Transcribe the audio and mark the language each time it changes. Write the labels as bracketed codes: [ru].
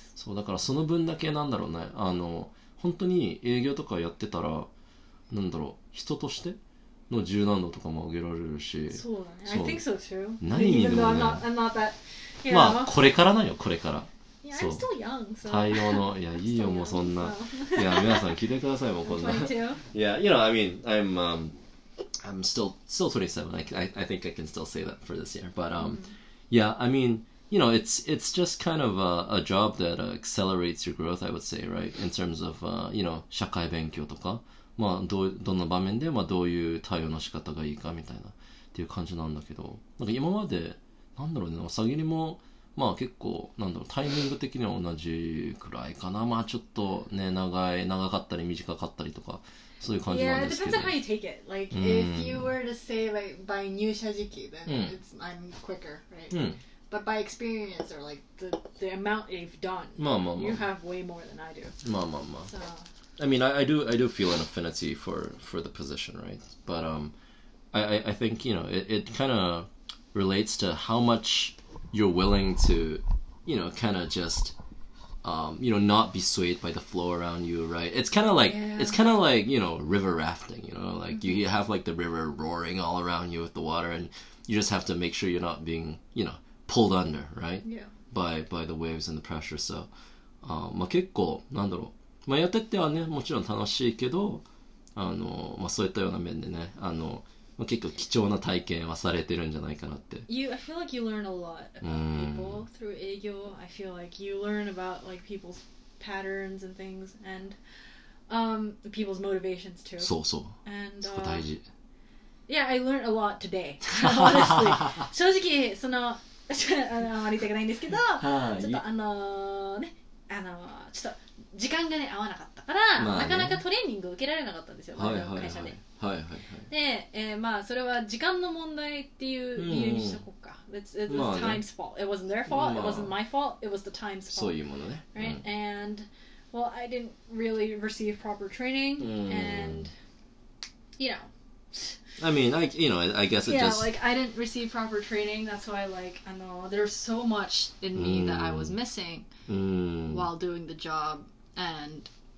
[ja] そう、だからその分だけ、なんだろうね、あの、本当に営業とかやってたら、なんだろう、人としての柔軟度とかも上げられるし、そうだね、そう、 [en] I think so too. [ja] 何にでもね。 [en] Yeah. [ja] まあこれからなよこれから。 [en] Yeah, [ja] そう。 [en] I'm still young, so. [ja] 対応のいやいいよ [en] young, [ja] もうそんな、 [en] so. [ja] いや皆さん聞いてくださいもうこんな。 22. [en] Yeah, you know, I mean, I'm still 27. I think I can still say that for this year. But yeah, I mean, you know, it's just kind of a job that accelerates your growth, I would say, right? In terms of you know [ja] 社会勉強とかまあどんな場面でまあどういう対応の仕方がいいかみたいなっていう感じなんだけど、なんか今まで。なんだろうね、おさぎりも、まあ結構、なんだろう、タイミング的には同じくらいかな。まあちょっとね、長かったり短かったりとか、そういう感じなんですけど。 [en] Yeah, it depends on how you take it. Like, if you were to say, like, by 入社時期, then I'm quicker, right? But by experience, or like, the amount you've done, you have way more than I do. [ja] まあまあまあ。 [en] I mean, I do feel an affinity for the position, right? But, I think, you know, it kind of... relates to how much you're willing to, you know, kind of just, you know, not be swayed by the flow around you, right? It's kind of like,、 yeah. it's kind of like, you know, river rafting, you know, like、mm-hmm. you have like the river roaring all around you with the water and you just have to make sure you're not being, you know, pulled under, right? Yeah. By the waves and the pressure. So, [ja] まあ結構、なんだろう。まあやっててはね、もちろん楽しいけど、あの、まあそういったような面でね、あの、結構貴重な体験はされてるんじゃないかなって。 [en] I feel like you learn a lot about people through 営業. I feel like you learn about like people's patterns and things and people's motivations too. [ja] そうそう。 [en] And, [ja] そこ大事。 [en] Yeah, I learned a lot today. Honestly. [ja] 正直、その、あの、あまり言いたくないんですけど、ちょっとあの、ね、あの、ちょっと時間がね、合わなかったから、まあね、なかなかトレーニングを受けられなかったんですよ、はいはいはい、会社で。はいはいはい、で、まあそれは時間の問題っていう理由にしとこうか。 [en] It was time's fault. It wasn't their fault.、 [ja] まあ、 [en] it wasn't my fault. It was the time's fault. [ja] そういうものね。 [en] Right?、うん、and, well, I didn't really receive proper training.、And, you know. I mean, I, you know, I guess it yeah, just... Yeah, like, I didn't receive proper training. That's why, like, I know there's so much in me that I was missing while doing the job. And,